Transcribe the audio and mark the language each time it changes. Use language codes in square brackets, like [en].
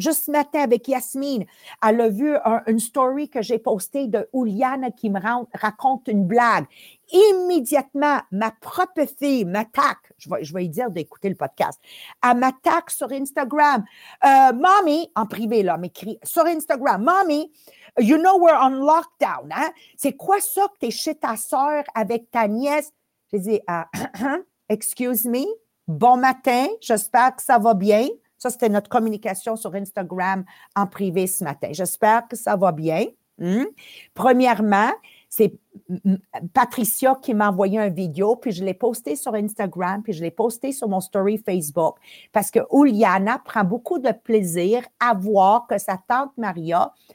[fr] Juste ce matin avec Yasmine, elle a vu une story que j'ai postée de Ouliane qui me raconte une blague. Immédiatement, ma propre fille m'attaque. Je vais lui dire d'écouter le podcast. Elle m'attaque sur Instagram. Mommy, en privé, là, m'écrit sur Instagram. [en] Mommy, you know we're on lockdown, hein? [fr] C'est quoi ça que t'es chez ta sœur avec ta nièce? J'ai dit, [en] excuse me, [fr] bon matin, j'espère que ça va bien. Ça, c'était notre communication sur Instagram en privé ce matin. J'espère que ça va bien. Premièrement, c'est Patricia qui m'a envoyé une vidéo, puis je l'ai postée sur Instagram, puis je l'ai postée sur mon story Facebook, parce que Ouliana prend beaucoup de plaisir à voir que sa tante Maria...